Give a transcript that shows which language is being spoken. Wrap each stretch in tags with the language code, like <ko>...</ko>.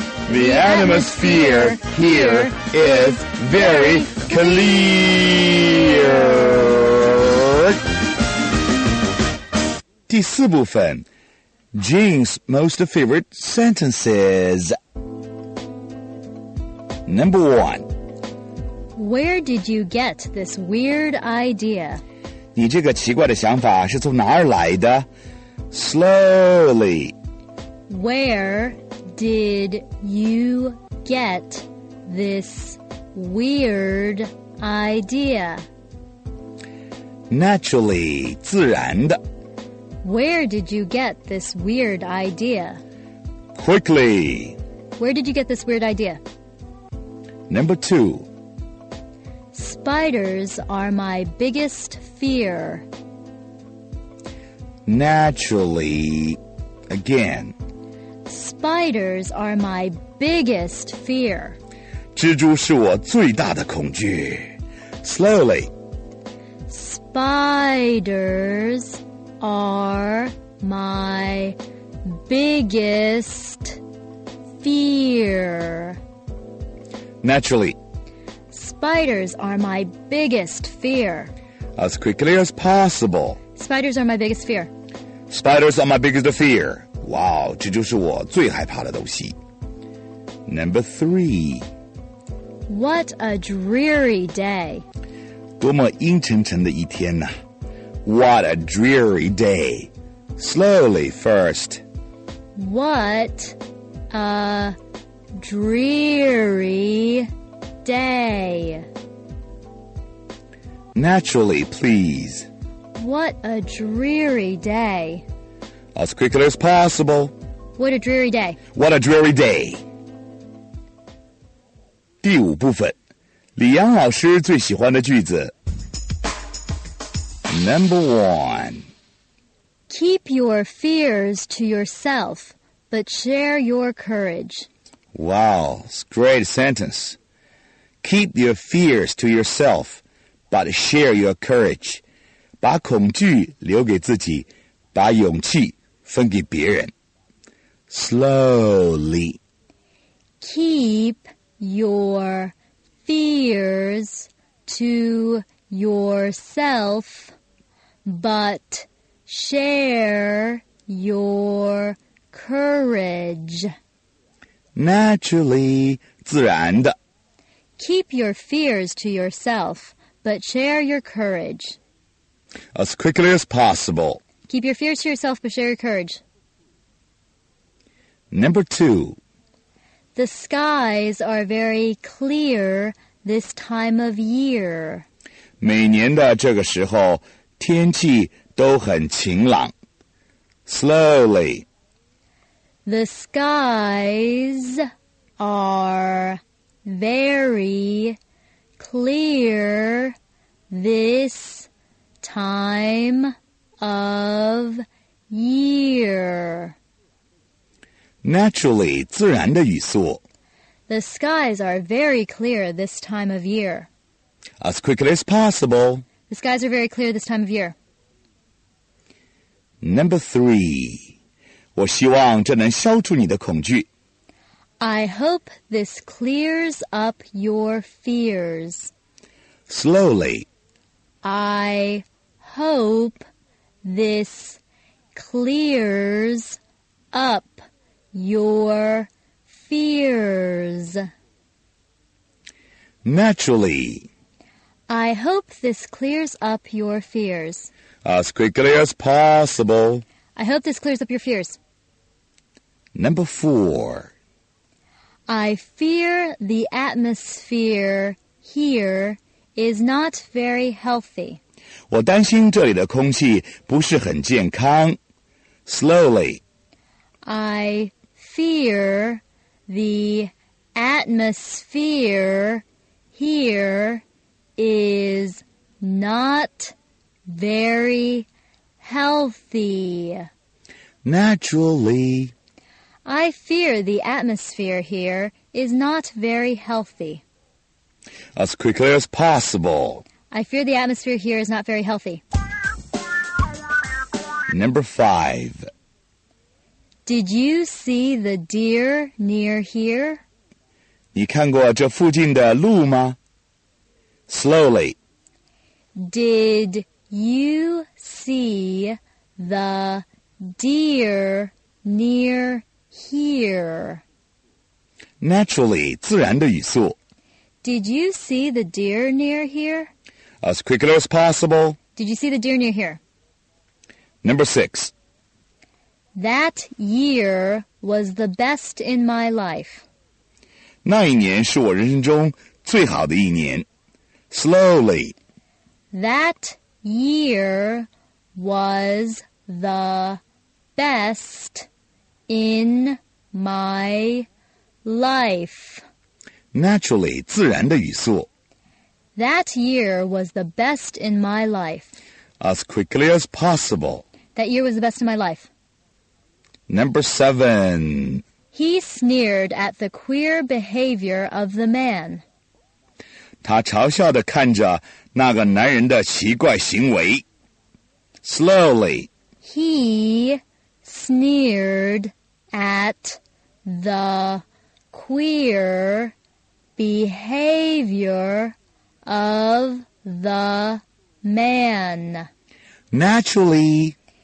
<en>The atmosphere here is very clear.</en> <zh>第四部分。</zh> <en>Jane's most favorite sentences. Number 1. Where did you get this weird idea?</en> <zh>你这个奇怪的想法是从哪儿来的?</zh> <en>Slowly. Where did you get this weird idea? Naturally,</en> <zh>自然的。</zh> <en>Where did you get this weird idea? Quickly. Where did you get this weird idea? Number 2. Spiders are my biggest fear. Naturally, again. Spiders are my biggest fear.</en> <zh>蜘蛛是我最大的恐惧。</zh> <en>Slowly. Spiders are my biggest fear. Naturally. Spiders are my biggest fear. As quickly as possible. Spiders are my biggest fear. Spiders are my biggest fear.</en> <zh>Wow, 蜘蛛是我最害怕的东西。</zh> <en>Number three. What a dreary day.</en> <zh>多么阴沉沉的一天呢、啊、</zh> <en>What a dreary day. Slowly first. What a dreary day. Naturally, please. What a dreary day. As quickly as possible. What a dreary day. What a dreary day.</en> <zh>第五部分，李阳老师最喜欢的句子。</zh> <en>Number one. Keep your fears to yourself, but share your courage. Wow, great sentence. Keep your fears to yourself, but share your courage.</en> <zh>把恐惧留给自己，把勇气分给别人。</zh> <en>Slowly. Keep your fears to yourself, but share your courage. Naturally,</en> <zh>自然的。</zh> <en>Keep your fears to yourself, but share your courage. As quickly as possible. Keep your fears to yourself, but share your courage. Number two. The skies are very clear this time of year.</en> <zh>每年的这个时候，天气都很晴朗。</zh> <en>Slowly. The skies are very clear this time of year. Naturally,</en> <zh>自然的语速。</zh> <en>The skies are very clear this time of year. As quickly as possible. The skies are very clear this time of year. Number three.</en> <zh>我希望这能消除你的恐惧。</zh> <en>I hope this clears up your fears. Slowly. I hope... This clears up your fears. Naturally. I hope this clears up your fears. As quickly as possible. I hope this clears up your fears. Number four. I fear the atmosphere here is not very healthy.</en> <zh>我担心这里的空气不是很健康。</zh> <en>Slowly. I fear the atmosphere here is not very healthy. Naturally. I fear the atmosphere here is not very healthy. As quickly as possible. I fear the atmosphere here is not very healthy. Number five. Did you see the deer near here?</en> <zh>你看过这附近的鹿吗?</zh> <en>Slowly. Did you see the deer near here? Naturally,</en> <zh>自然的语速。</zh> <en>Did you see the deer near here? As quickly as possible. Did you see the deer near here? Number six. That year was the best in my life.</en> <zh>那一年是我人生中最好的一年。</zh> <en>Slowly. That year was the best in my life. Naturally,</en> <zh>自然的语速。</zh> <en>That year was the best in my life. As quickly as possible. That year was the best in my life. Number 7. He sneered at the queer behavior of the man.</en> <zh>他嘲笑地看着那个男人的奇怪行为。</zh> <en>Slowly. He sneered at the queer behavior of the man. Naturally.</en>